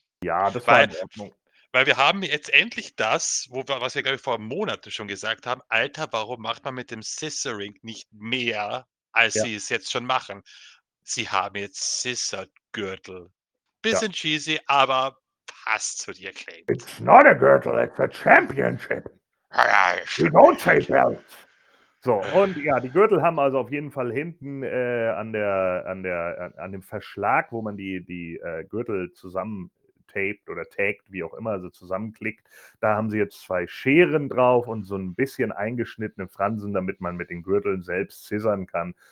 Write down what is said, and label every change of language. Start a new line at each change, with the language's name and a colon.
German: Ja, das war in Ordnung. Weil wir haben jetzt endlich das, was wir, glaube ich, vor Monaten schon gesagt haben. Alter, warum macht man mit dem Scissoring nicht mehr, als sie es jetzt schon machen? Sie haben jetzt Scissor-Gürtel. Bisschen cheesy, aber passt zu dir, Claim.
English: It's not a Gürtel, it's a Championship. You don't say belts.
German: So, und ja, die Gürtel haben also auf jeden Fall hinten an dem Verschlag, wo man die Gürtel zusammentaped oder tagged, wie auch immer, also zusammenklickt, da haben sie jetzt zwei Scheren drauf und so ein bisschen eingeschnittene Fransen, damit man mit den Gürteln selbst scissern kann.